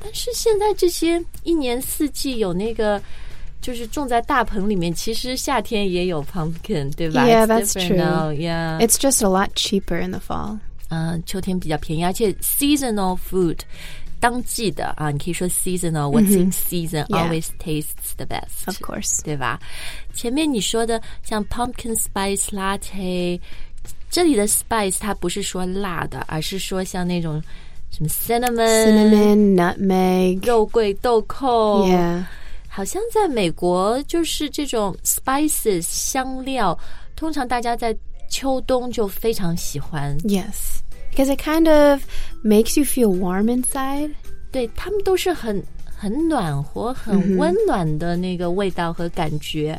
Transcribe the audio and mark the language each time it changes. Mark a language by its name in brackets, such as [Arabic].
[Chinese] 但是现在这些一年四季有那个就是种在大棚里面其实夏天也有 pumpkin 对吧 [English] Yeah that's true、 now. Yeah, It's just a lot cheaper in the fall、 [Chinese] 秋天比较便宜而且 seasonal food当季的啊，你可以说 seasonal、mm-hmm. [English] What's in season、 yeah. always tastes the best Of course [Chinese] 对吧前面你说的像 pumpkin spice latte 这里的 spice 它不是说辣的而是说像那种什么 cinnamon [English] nutmeg [Chinese] 肉桂豆蔻 [English] Yeah [Chinese] 好像在美国就是这种 spices 香料通常大家在秋冬就非常喜欢 [English] YesBecause it kind of makes you feel warm inside. [Chinese] 对他们都是很暖和很温暖的那个味道和感觉。